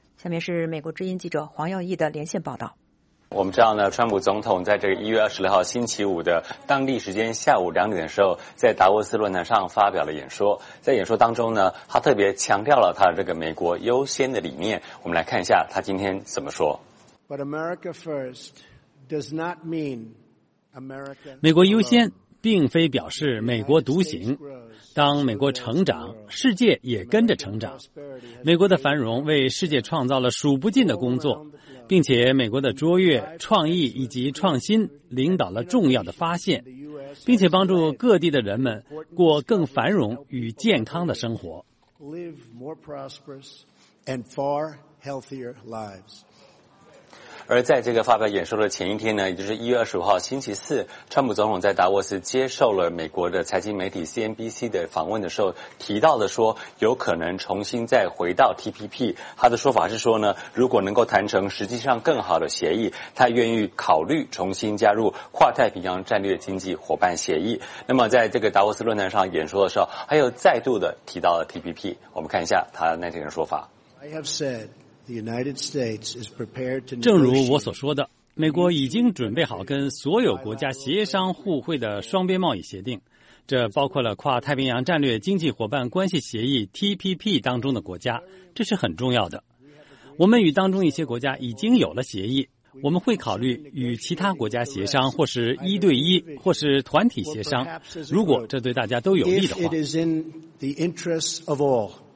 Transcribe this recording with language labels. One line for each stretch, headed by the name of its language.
Chinese: 下面是美国之音记者黄耀毅的连线报道。我们知道呢，川普总统在这个1月26号星期五的当地时间下午2点的时候，在达沃斯论坛上发表了演说。在演说当中呢，他特别强调了他的这个美国优先的理念。我们来看一下他今天怎么说。
English: But America first does not mean America.
Chinese: 美国优先并非表示美国独行。当美国成长，世界也跟着成长。美国的繁荣为世界创造了数不尽的工作，并且美国的卓越、创意以及创新领导了重要的发现，并且帮助各地的人们过更繁荣与健康的生活。而在这个发表演说的前一天呢，也就是1月25号星期四，川普总统在达沃斯接受了美国的财经媒体 CNBC 的访问的时候，提到了说有可能重新再回到 TPP。他的说法是说呢，如果能够谈成实际上更好的协议，他愿意考虑重新加入跨太平洋战略经济伙伴协议。那么在这个达沃斯论坛上演说的时候，还有再度的提到了 TPP。我们看一下他那天的说法。
English: I have said The United States is prepared to negotiate.
Chinese: 正如我所说的，美国已经准备好跟所有国家协商互惠的双边贸易协定，这包括了跨太平洋战略经济伙伴关系协议 TPP 当中的国家，这是很重要的。我们与当中一些国家已经有了协议，我们会考虑与其他国家协商，或是一对一，或是团体协商，如果这对大家都有利的话。